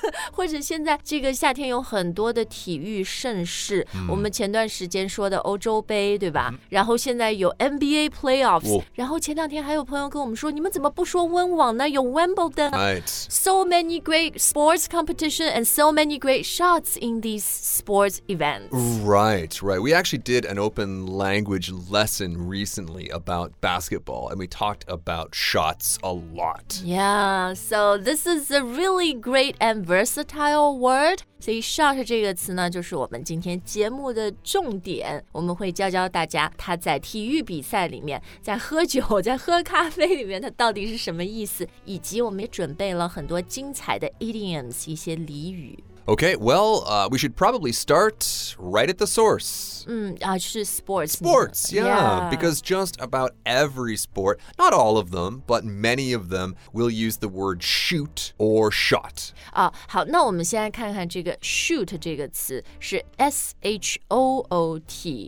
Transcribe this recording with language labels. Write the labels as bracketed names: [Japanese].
[Chinese] 或者现在这个夏天有很多的体育盛事， mm. 我们前段时间说的欧洲杯，对吧？ Mm. 然后现在有 NBA playoffs，、oh. 然后前两天还有朋友跟我们说，你们怎么不说温网呢？有 Wimbledon. [English] Right. So many great sports competition and so many great shots in these sports events. Right, right. We actually did an open language lesson recently about basketball and we talked about shots a lot. Yeah, so this is a really great and versatile word. [Chinese] 所以 shot 这个词呢就是我们今天节目的重点我们会教教大家它在体育比赛里面在喝酒在喝咖啡里面它到底是什么意思以及我们也准备了很多精彩的 idioms 一些俚语 [English] Okay, well, we should probably start right at the source [Chinese] 就是 sports [English] Sports, yeah, because just about every sport not all of them, but many of them will use the word shoot or shot [Chinese] 好那我们现在看看这个 shoot 这个词是 S-H-O-O-T